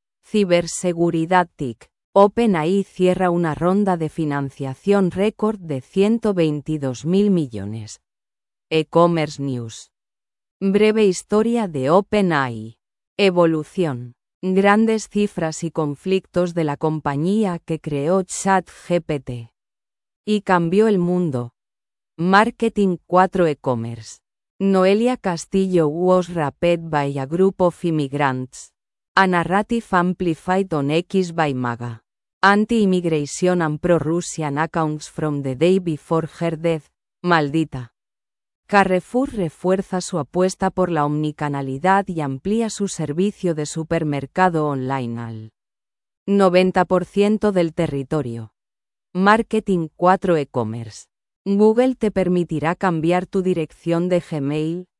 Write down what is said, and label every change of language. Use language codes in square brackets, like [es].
[es] Ciberseguridad TIC. OpenAI cierra una ronda de financiación récord de 122.000 millones. E-commerce News. Breve historia de OpenAI. Evolución. Grandes cifras y conflictos de la compañía que creó ChatGPT. Y cambió el mundo. Marketing 4 e-commerce. [en] Noelia Castillo was rapped by a group of immigrants. A narrative amplified on X by MAGA. Anti-immigration and pro-Russian accounts from the day before her death. [es] Maldita. Carrefour refuerza su apuesta por la omnicanalidad y amplía su servicio de supermercado online al 90% del territorio. Marketing 4 e-commerce. Google te permitirá cambiar tu dirección de Gmail.